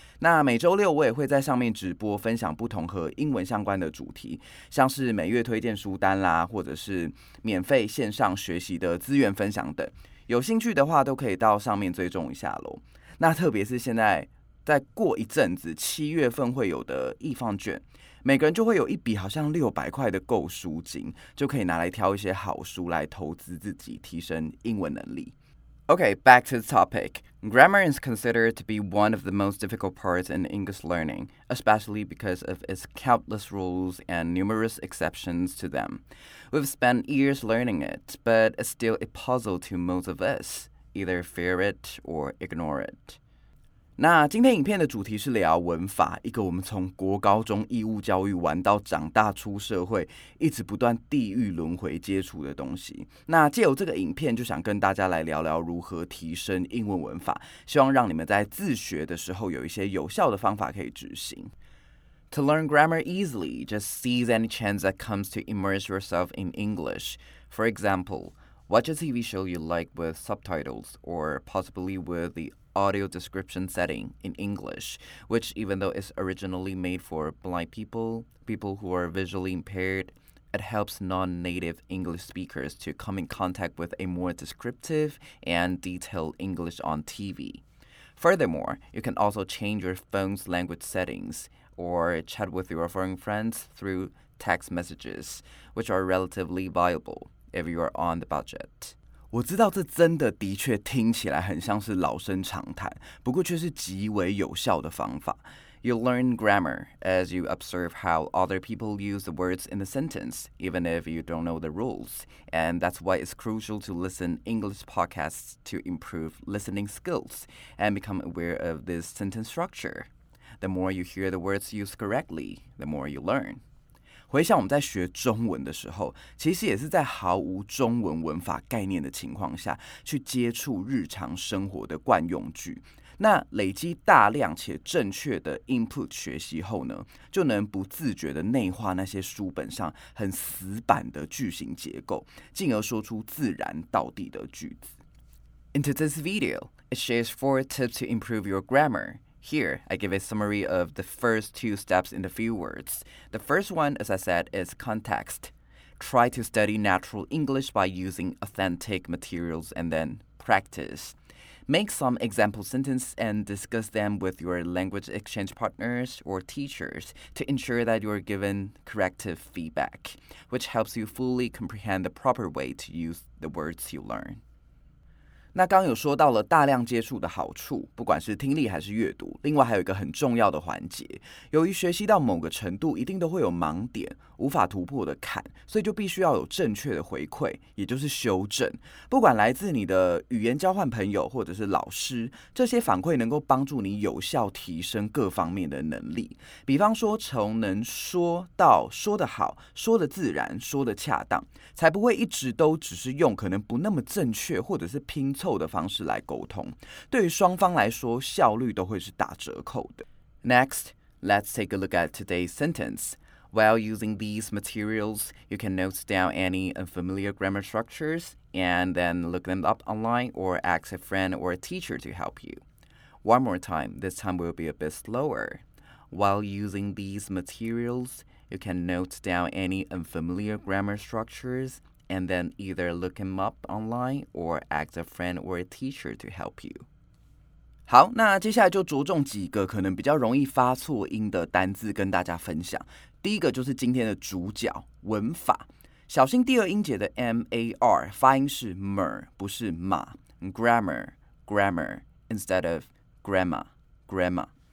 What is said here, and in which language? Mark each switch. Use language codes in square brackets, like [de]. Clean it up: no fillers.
[zh] 那每周六我也会在上面直播分享不同和英文相关的主题，像是每月推荐书单啦，或者是免费线上学习的资源分享等，有兴趣的话都可以到上面追踪一下咯。那特别是现在再过一阵子七月份会有的易放券，每个人就会有一笔好像600块的购书金，就可以拿来挑一些好书来投资自己，提升英文能力。 [en] Okay, back to the topic. Grammar is considered to be one of the most difficult parts in English learning, especially because of its countless rules and numerous exceptions to them. We've spent years learning it, but it's still a puzzle to most of us, either fear it or ignore it. [zh] 那今天影片的主题是聊文法，一个我们从国高中义务教育玩到长大出社会，一直不断地狱轮回接触的东西。那借由这个影片，就想跟大家来聊聊如何提升英文文法，希望让你们在自学的时候有一些有效的方法可以执行。 [en] To learn grammar easily, just seize any chance that comes to immerse yourself in English. For example, watch a TV show you like with subtitles, or possibly with the audio description setting in English, which even though it's originally made for blind people who are visually impaired, it helps non-native English speakers to come in contact with a more descriptive and detailed English on TV. Furthermore, you can also change your phone's language settings or chat with your foreign friends through text messages, which are relatively viable if you are on the budget. [zh] 我知道这真的的确听起来很像是老生常谈，不过却是极为有效的方法。 [en] You learn grammar as you observe how other people use the words in the sentence, even if you don't know the rules. And that's why it's crucial to listen English podcasts to improve listening skills and become aware of this sentence structure. The more you hear the words used correctly, the more you learn. [zh] 回想我们在学中文的时候，其实也是在毫无中文文法概念的情况下去接触日常生活的惯用句。那累积大量且正确的 input 学习后呢，就能不自觉地内化那些书本上很死板的句型结构，进而说出自然道地的句子。 [en] In today's video, it shares 4 tips to improve your grammar. Here, I give a summary of the first two steps in a few words. The first one, as I said, is context. Try to study natural English by using authentic materials and then practice. Make some example sentences and discuss them with your language exchange partners or teachers to ensure that you are given corrective feedback, which helps you fully comprehend the proper way to use the words you learn. [zh] 那刚有说到了大量接触的好处，不管是听力还是阅读，另外还有一个很重要的环节，由于学习到某个程度一定都会有盲点，无法突破的坎，所以就必须要有正确的回馈，也就是修正。不管来自你的语言交换朋友或者是老师，这些反馈能够帮助你有效提升各方面的能力。比方说从能说到说得好，说得自然，说得恰当，才不会一直都只是用可能不那么正确或者是拼凑的方式来沟通，对于双方来说效率都会是打折扣的。 [en] Next, let's take a look at today's sentence. While using these materials, you can note down any unfamiliar grammar structures and then look them up online or ask a friend or a teacher to help you. One more time, this time will be a bit slower. While using these materials, you can note down any unfamiliar grammar structuresAnd then either look him up online or ask a friend or a teacher to help you. [zh] 好，那接下来就着重几个可能比较容易发错音的单字跟大家分享。第一个就是今天的主角，文法。小心第二音节的 mar 发音是 mer 不是 ma。 [en] grammar grammar instead of grammar grammar。